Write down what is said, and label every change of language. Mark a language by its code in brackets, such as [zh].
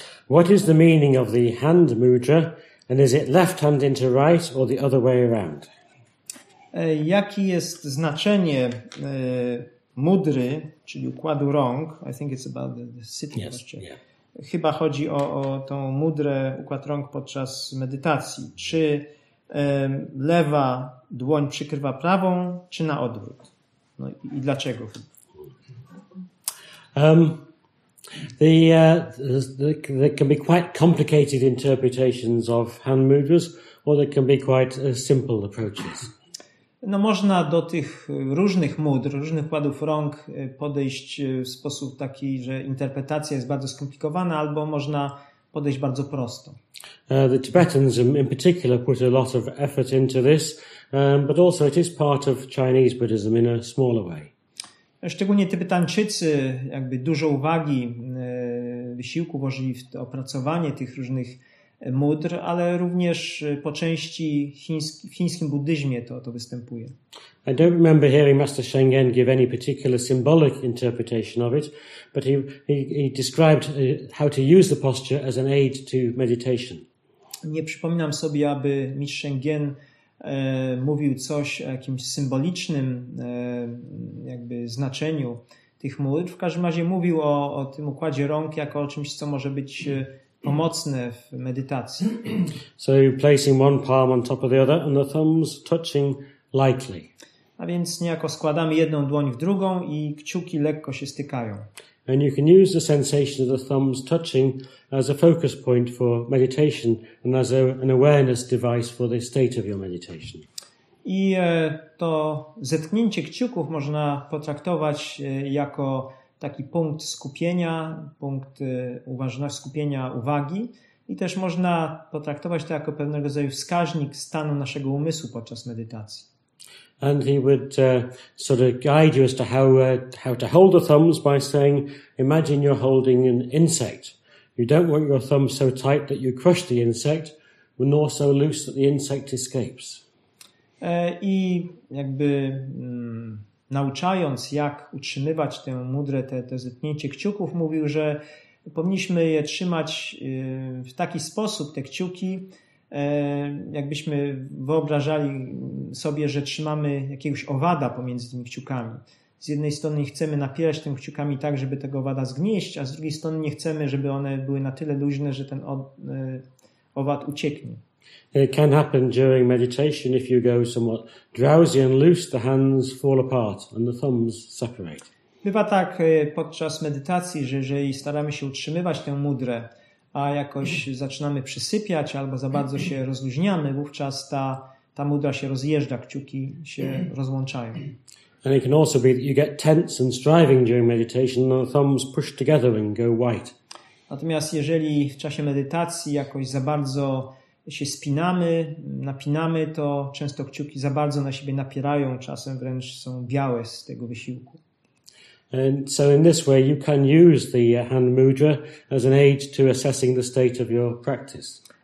[en] What is the meaning of the hand mudra and is it left hand into right or the other way around? [pl] Jakie jest znaczenie mudry, czyli układu rąk? [en] I think it's about the sitting yes, posture. Yeah. [pl] Chyba chodzi o tą mudrę, układ rąk podczas medytacji. Czy lewa dłoń przykrywa prawą, czy na odwrót? No i dlaczego? [en] There can be quite complicated interpretations of hand mudras, or they can be quite simple approaches. [pl] No, można do tych różnych mudr, różnych układów rąk podejść w sposób taki, że interpretacja jest bardzo skomplikowana, albo można podejść bardzo prosto. [en] The Tibetans in particular put a lot of effort into this, but also it is part of Chinese Buddhism in a smaller way. [pl] Szczególnie Tybetańczycy jakby dużo uwagi, wysiłku włożyli w opracowanie tych różnych mudr, ale również po części w chińskim buddyzmie to występuje. [en] I don't remember hearing Master Shengen give any particular symbolic interpretation of it, but he described how to use the posture as an aid to meditation. [pl] Nie przypominam sobie, aby Mistrz Shengen mówił coś o jakimś symbolicznym jakby znaczeniu tych mudr. W każdym razie mówił o tym układzie rąk jako o czymś, co może być pomocne w medytacji. [en] So placing one palm on top of the other and the thumbs touching lightly. [pl] A więc niejako składamy jedną dłoń w drugą i kciuki lekko się stykają. [en] And you can use the sensation of the thumbs touching as a focus point for meditation and as an awareness device for the state of your meditation. [pl] I to zetknięcie kciuków można potraktować jako taki punkt skupienia, punkt uważności, skupienia uwagi, i też można potraktować to jako pewnego rodzaju wskaźnik stanu naszego umysłu podczas medytacji. [en] And he would sort of guide you as to how to hold the thumbs by saying, imagine you're holding an insect. You don't want your thumbs so tight that you crush the insect, nor so loose that the insect escapes. [pl] I jakby nauczając, jak utrzymywać tę mudrę, to zetknięcie kciuków, mówił, że powinniśmy je trzymać w taki sposób, te kciuki, jakbyśmy wyobrażali sobie, że trzymamy jakiegoś owada pomiędzy tymi kciukami. Z jednej strony chcemy napierać tymi kciukami tak, żeby tego owada zgnieść, a z drugiej strony nie chcemy, żeby one były na tyle luźne, że ten owad ucieknie. [en] It can happen during meditation if you go somewhat drowsy and loose, the hands fall apart and the thumbs separate. [pl] Bywa tak podczas medytacji, że jeżeli staramy się utrzymywać tę mudrę, a jakoś zaczynamy przysypiać albo za bardzo się rozluźniamy, wówczas ta mudra się rozjeżdża, kciuki się rozłączają. [en] And it can also be that you get tense and striving during meditation and the thumbs push together and go white. [pl] Natomiast jeżeli w czasie medytacji jakoś za bardzo się spinamy, napinamy, to często kciuki za bardzo na siebie napierają, czasem wręcz są białe z tego wysiłku. [en] And so in this way you can use the hand mudra as an aid to assessing the state of your practice.